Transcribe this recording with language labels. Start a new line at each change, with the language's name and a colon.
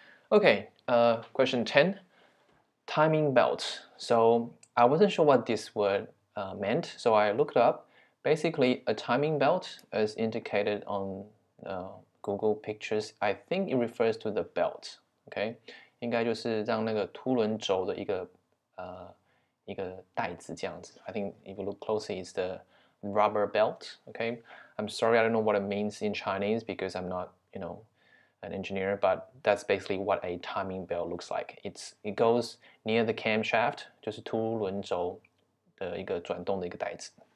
English: Okay, question 10, timing belt. So I wasn't sure what this word meant, so I looked up. Basically, a timing belt, as indicated on Google Pictures, I think it refers to the belt, okay?
Chinese: 应该就是让那个凸轮轴的一个带子这样子。
English: I think if you look closely, it's the rubber belt, okay? I'm sorry, I don't know what it means in Chinese because I'm not, you know, an engineer, but that's basically what a timing belt looks like. It goes near the camshaft,
Chinese: 就是凸轮轴的一个转动的一个带子。